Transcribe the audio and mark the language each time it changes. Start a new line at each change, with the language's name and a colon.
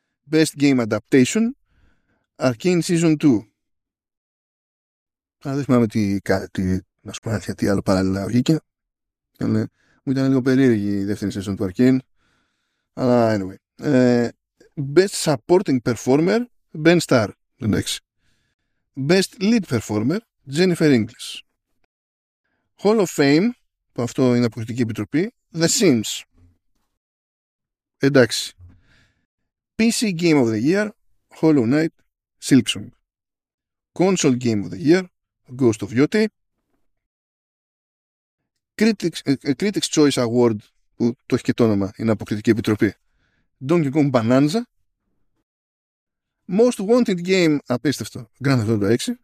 English: Best Game Adaptation, Arcane Season 2.
Greek: Α, δεν θυμάμαι να σου πω τι άλλο παράλληλα βγήκε. Μου ήταν λίγο περίεργη η δεύτερη season του Arcane. Αλλά anyway.
English: Best Supporting Performer, Ben Starr.
Greek: Εντάξει.
English: Best Lead Performer, Jennifer English. Hall of Fame,
Greek: που αυτό είναι αποκριτική επιτροπή, The Sims. Εντάξει.
English: PC Game of the Year, Hollow Knight, Silksong. Console Game of the Year, Ghost of Yote. Critics Choice Award,
Greek: που το έχει και το όνομα, είναι αποκριτική επιτροπή, Donkey Kong Bonanza.
English: Most Wanted Game,
Greek: απίστευτο,
English: Grand Theft Auto 6.